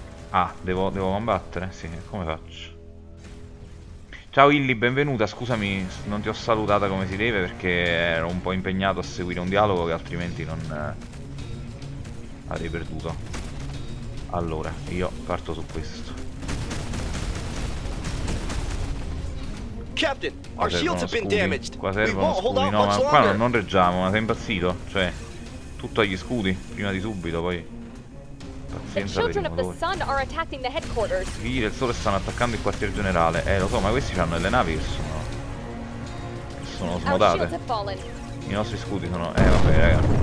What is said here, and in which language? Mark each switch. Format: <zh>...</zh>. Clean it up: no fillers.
<it>Ah, devo combattere? Sì, come faccio? Ciao Illy, benvenuta. Scusami, non ti ho salutata come si deve perché ero un po' impegnato a seguire un dialogo che altrimenti non avrei perduto. Allora, io parto su questo.</it> <en>Captain, our shields have been damaged.</en> <it>Qua servono scudi. No, ma qua non reggiamo, ma sei impazzito? Cioè, tutto agli scudi, prima di subito, poi... Pazienza,</it> <en>the children of the sun are attacking the headquarters.</en> <it>I figli del sole stanno attaccando il quartier generale. Lo so, ma questi hanno delle navi che sono smodate. I nostri scudi sono... vabbè, raga.</it>